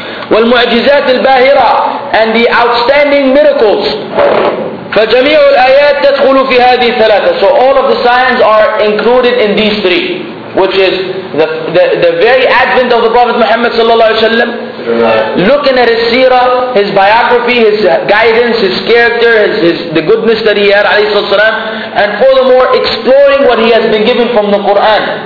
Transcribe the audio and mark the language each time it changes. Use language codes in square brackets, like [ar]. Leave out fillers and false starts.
[ar] والمعجزات الباهرة, [en] and the outstanding miracles. [ar] فجميع الآيات تدخل في هذه الثلاثة. [en] So all of the signs are included in these three, which is the very advent of the Prophet Muhammad sallallahu alaihi wasallam. Looking at his seerah, his biography, his guidance, his character, his the goodness that he had, alayhi salatu wasalam, and furthermore, exploring what he has been given from the Quran.